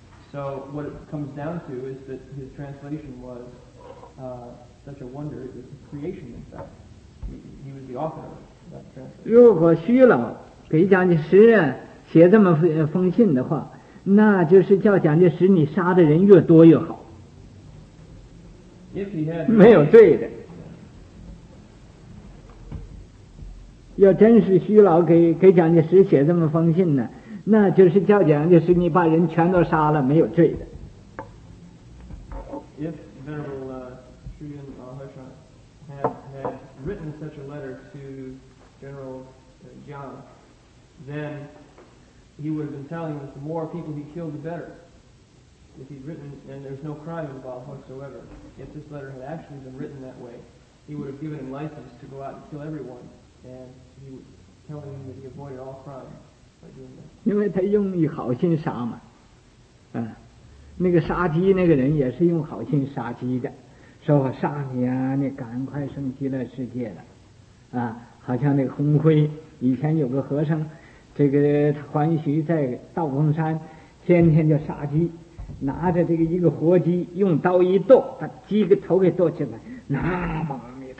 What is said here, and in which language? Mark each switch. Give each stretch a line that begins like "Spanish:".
English: So what it comes down to is that his translation was such a wonder, it was a creation in factHe was the author of that translation.
Chinese: 如果虚老给蒋介石写这么封信的话，那就是叫蒋介石你杀的人越多越好。
English: If he had,
Chinese: 没有对的。要真是虚老给蒋介石写这么封信呢，那就是叫蒋介石你把人全都杀了，没有罪的。
English: If Venerable Sri Yun Mahasha had written such a letter to General Jiang, then he would have been telling him that the more people he killed, the better. If he'd written, and there's no crime involved whatsoever, if this letter had actually been written that way, he would have given him license to go out and kill everyone, and he would tell him that he avoided all crime by doing that.
Chinese: 因为他用一好心杀嘛，那个杀鸡那个人也是用好心杀鸡的。说我杀你啊，你赶快升极乐世界了啊，好像那个红辉以前有个和尚，这个欢喜在道峰山天天就杀鸡，拿着这个一个活鸡用刀一剁，把鸡的头给剁起来，南无阿